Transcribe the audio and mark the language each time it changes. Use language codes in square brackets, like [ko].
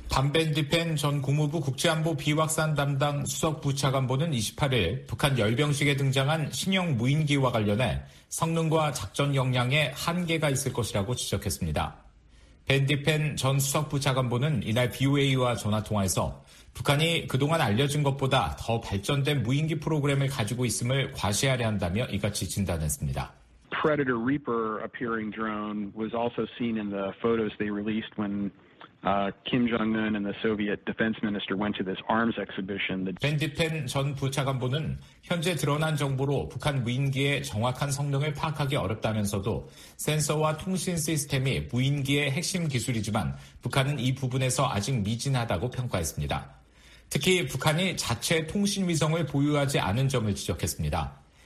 [ko] 반벤디펜 전 국무부 국제안보 비확산 담당 수석부차관보는 28일 북한 열병식에 등장한 신형 무인기와 관련해 성능과 작전 역량에 한계가 있을 것이라고 지적했습니다. 벤디펜 전 수석부차관보는 이날 BOA와 전화통화에서 북한이 그동안 알려진 것보다 더 발전된 무인기 프로그램을 가지고 있음을 과시하려 한다며 이같이 진단했습니다. [en] Predator Reaper appearing drone was also seen in the photos they released when Kim Jong-un and the Soviet defense minister went to this arms exhibition. [ko] 벤디펜 전 부차관보는 현재 드러난 정보로 북한 무인기의 정확한 성능을 파악하기 어렵다면서도 센서와 통신 시스템이 무인기의 핵심 기술이지만 북한은 이 부분에서 아직 미진하다고 평가했습니다. 특히 북한이 자체 통신 위성을 보유하지 않은 점을 지적했습니다.